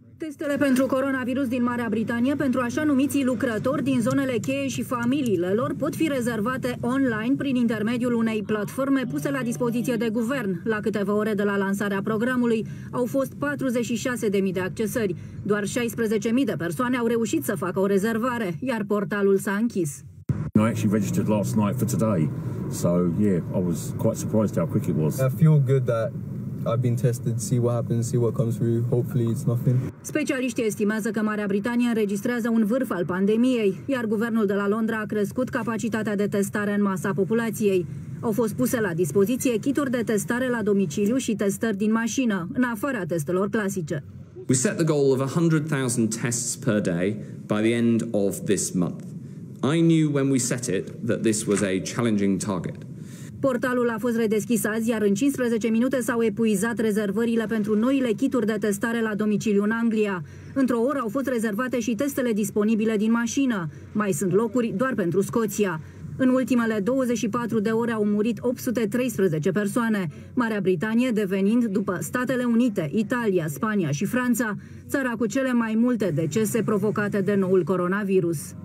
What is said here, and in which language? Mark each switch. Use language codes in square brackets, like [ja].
[ro] Testele pentru coronavirus din Marea Britanie pentru așa numiții lucrători din zonele cheie și familiile lor pot fi rezervate online prin intermediul unei platforme puse la dispoziție de guvern. La câteva ore de la lansarea programului au fost 46.000 de accesări. Doar 16.000 de persoane au reușit să facă o rezervare, iar portalul s-a închis. [en] No, I actually registered last night for today. So, yeah, I was quite surprised how quick it was. I feel good that I've been tested, see what happens, see what comes through. Hopefully it's nothing. [ro] Specialiștii estimează că Marea Britanie înregistrează un vârf al pandemiei, iar guvernul de la Londra a crescut capacitatea de testare în masa populației. Au fost puse la dispoziție kituri de testare la domiciliu și testări din mașină, în afara testelor clasice. [en] We set the goal of 100,000 tests per day by the end of this month. I knew when we set it that this was a challenging target. [ro] Portalul a fost redeschis azi, iar în 15 minute s-au epuizat rezervările pentru noile kituri de testare la domiciliu în Anglia. Într-o oră au fost rezervate și testele disponibile din mașină. Mai sunt locuri doar pentru Scoția. În ultimele 24 de ore au murit 813 persoane, Marea Britanie devenind, după Statele Unite, Italia, Spania și Franța, țara cu cele mai multe decese provocate de noul coronavirus.